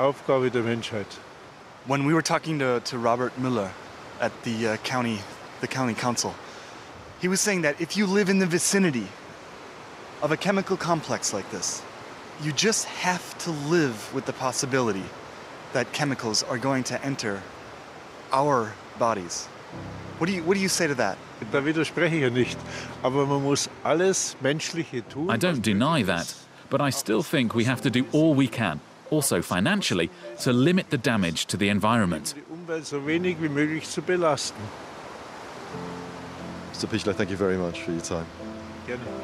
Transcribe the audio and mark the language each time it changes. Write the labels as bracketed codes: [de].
[en] When we were talking to Robert Müller at the county council, he was saying that if you live in the vicinity of a chemical complex like this, you just have to live with the possibility that chemicals are going to enter our bodies. What do you say to that? [de] Da widerspreche ich nicht, aber man muss alles Menschliche tun. [en] I don't deny that, but I still think we have to do all we can, also financially, to limit the damage to the environment. Mr. Pichler, thank you very much for your time. [de] Gerne.